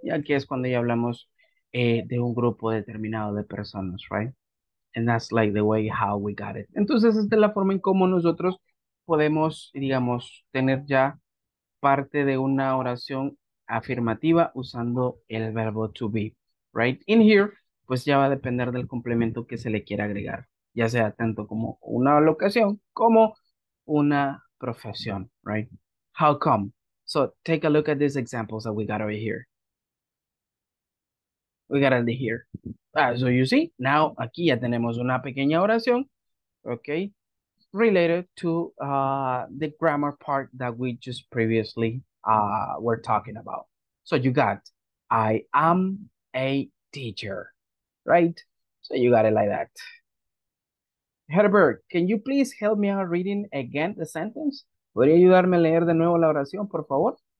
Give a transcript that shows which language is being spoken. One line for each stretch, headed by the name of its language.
Spanish: Y aquí es cuando ya hablamos de un grupo determinado de personas, right?
English: And that's like the way how we got it.
Spanish: Entonces, esta es la forma en cómo nosotros podemos, digamos, tener ya parte de una oración afirmativa usando el verbo to be, right?
English: In here,
Spanish: pues ya va a depender del complemento que se le quiera agregar, ya sea tanto como una locación como una profesión, right?
English: How come? So, take a look at these examples that we got over here. We got it here. So you see, now
Spanish: aquí ya tenemos una pequeña oración,
English: okay, related to the grammar part that we just previously were talking about. So you got, I am a teacher, right? So you got it like that. Herbert, can you please help me out reading again the sentence?
Spanish: ¿Podría ayudarme a leer de nuevo la oración, por favor?